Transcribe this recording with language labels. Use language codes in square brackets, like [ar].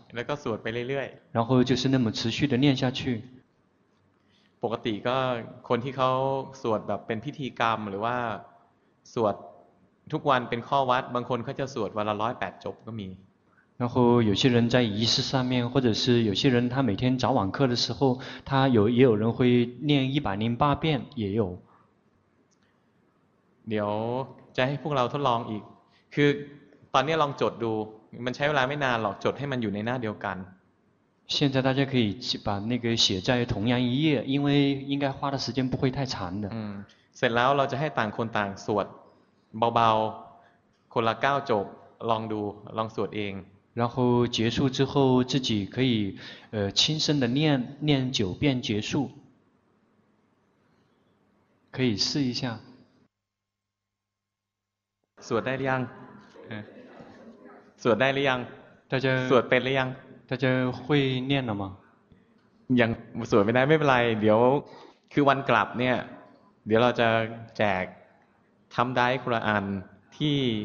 [th] แล้วก็สวดไปเรื่อย [zh] ๆ然后就是那么持续的念下去 [th] ปกติก็คนที่เขาสวดแบบเป็นพิธีกรรมหรือว่าสวดทุกวันเป็นข้อวัดบางคนเขาจะสวดวันละ108จบก็มี [zh] 然后有些人在仪式上面或者是有些人他每天早晚课的时候他有也有人会念108遍也有 [th] เดี๋ยวจะให้พวกเราทดลองอีกคือตอนนี้ลองจดดูมันใช้เวลาไม่นานหรอกจดให้มันอยู่ในหน้าเดียวกัน [zh] 现在大家可以把那个写在同样一页因为应该花的时间不会太长的 [th] เสร็จแล้วเราจะให้ต่างคนต่างสวดเบาๆคนละ9จบลองดูลองสวดเอง [zh] 然后结束之后自己可以轻声的念念九遍结束可以试一下 [th] สวดได้หรือยังสวดได้หรือยังสวดเป็นหรือยัง ท่านจะ [zh] 会念了吗 [th] ยังสวดไม่ได้ไม่เป็นไรเดี๋ยวคือวันกลับเนี่ยเดี๋ยวเราจะแจกทําได้คุรานที่